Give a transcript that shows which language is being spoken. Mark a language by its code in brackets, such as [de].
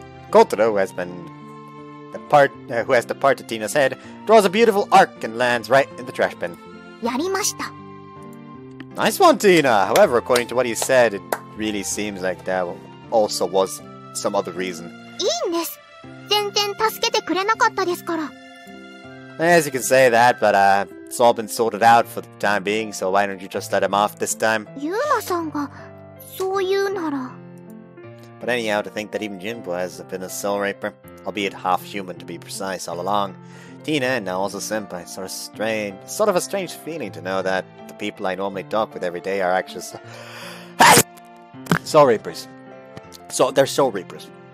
[en] Kotaro, who has the part of Tina's head, draws a beautiful arc and lands right in the trash bin. [ja] やりました。 [en] Nice one, Tina! However, according to what he said, it really seems like that also was some other reason. [ja] いいんです。全然助けてくれなかったですから。 [en] Yes, you can say that, but it's all been sorted out for the time being, so why don't you just let him off this time? [ja] ユーマさんがそう言うなら… [en] But anyhow, to think that even Jinpo has been a soul raper, albeit half-human to be precise all along, Tina and now also Senpai, sort of a strange feeling to know that the people I normally talk with every day are actually soul reapers. So, they're soul reapers.